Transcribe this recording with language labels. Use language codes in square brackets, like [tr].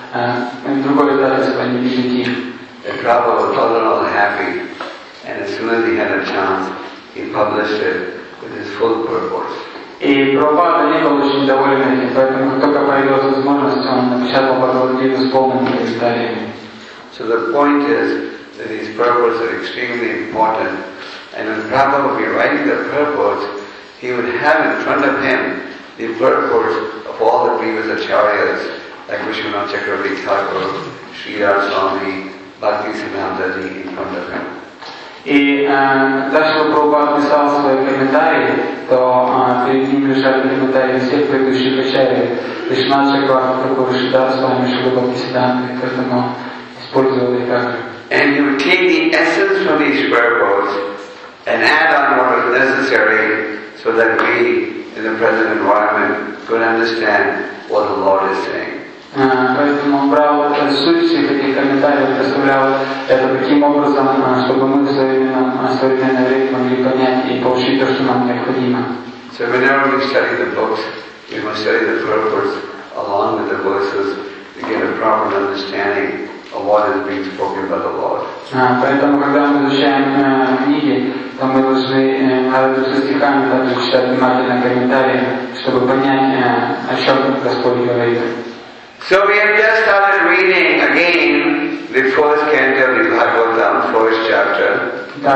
[en] The Prabhupada was all in all happy, and as soon as he had a chance, he published it with his full purpose. [ru] И Прабхупада не был очень доволен этим, поэтому как только появилась возможность, он напечатал Бхагавад-гиту с полным комментарием. [en] So the point is that these purports are extremely important. And when Prabhupada would be writing the purports, he would have in front of him the purports of all the previous acharyas, like Vishwanath Chakravarti Thakur, Sridhar Swami, Bhakti Siddhanta ji in front of him. [ru] И дальше Прабхупада писал свои комментарии, то перед ним лежали комментарии всех предыдущих ачарий. Вишванат Чакравартти Тхакур, Шридхар Свами, Шрила Бхакти Сиддханта, поэтому использовал их как. [en] And you take the essence from each purport and add on what is necessary so that we in the present environment could understand what the Lord is saying. [ru] Поэтому он брал суть всех этих комментариев, представлял это таким образом, чтобы мы в современное время могли понять и получить то, что нам необходимо. [en] So whenever we study the books, we must study the purports along with the verses to get a proper understanding of what is being spoken by the Lord. [ru] Поэтому когда мы изучаем книги, то мы должны наряду со стихами также читать внимательно комментарии, чтобы понять, о чем Господь говорит. [en] So we have just started reading again the first canto of the Bhagavatam, first chapter.